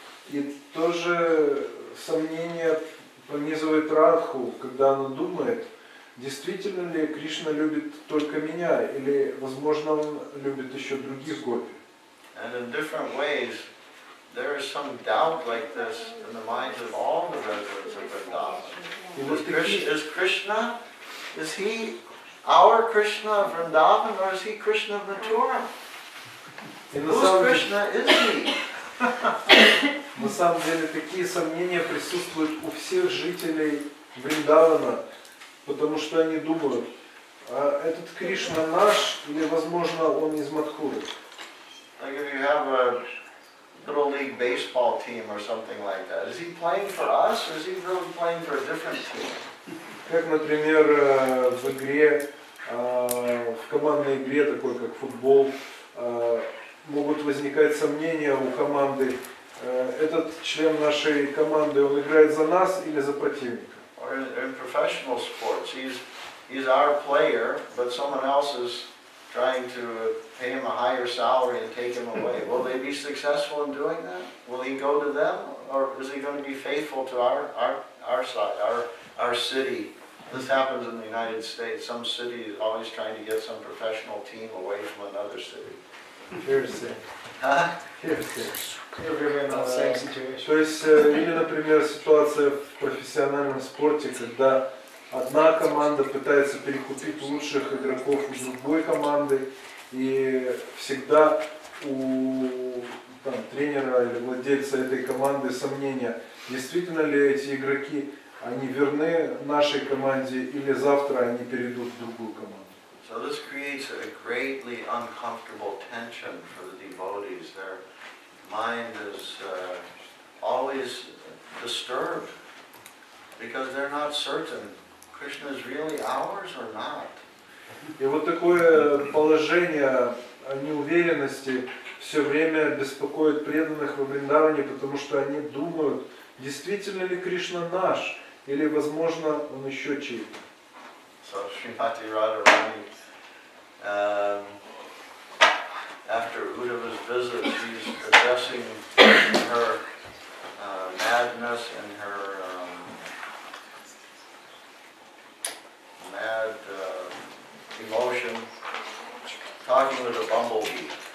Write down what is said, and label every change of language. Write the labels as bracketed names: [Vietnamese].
[Russian] И тоже сомнение пронизывает Радху, когда она думает, действительно ли Кришна любит только меня, или, возможно, он любит еще других гопи. [English] And in different ways, there is some doubt like this in the minds of all the residents of Vrindavan. Is he our Krishna of Vrindavan, or is he Krishna of Mathura? Whose Krishna is he? [Russian] На самом деле такие сомнения присутствуют у всех жителей Вриндавана, потому что они думают, а этот Кришна наш или, возможно, он из Матхуры? [English] Like if you have a little league baseball team or something like that, is he playing for us or is he really playing for a different team? [Russian] Как, например, в игре, в командной игре такой как футбол, могут возникать сомнения у команды. Этот член нашей команды, он играет за нас или за противника? [English] Or in professional sports, he's our player, but someone else is trying to pay him a higher salary and take him away. Will they be successful in doing that? Will he go to them, or is he going to be faithful to our side, our city? This happens in the United States. Some city is always trying to get some professional team away from another city. [Russian] То есть, или, например, ситуация в профессиональном спорте, когда одна команда пытается перекупить лучших игроков у другой команды, и всегда у там, тренера или владельца этой команды сомнения, действительно ли эти игроки, они верны нашей команде, или завтра они перейдут в другую команду. [English] So this creates a greatly uncomfortable tension for the devotees. Their mind is always disturbed because they're not certain Krishna is really ours or not. [Russian] И вот такое положение неуверенности все время беспокоит преданных во Вриндаване, потому что они думают, действительно ли Кришна наш, или, возможно, он еще чей-то. [English] So Shrimati Radharani, after Uddhava's visit, she's addressing her madness and her mad emotion, talking with a bumblebee.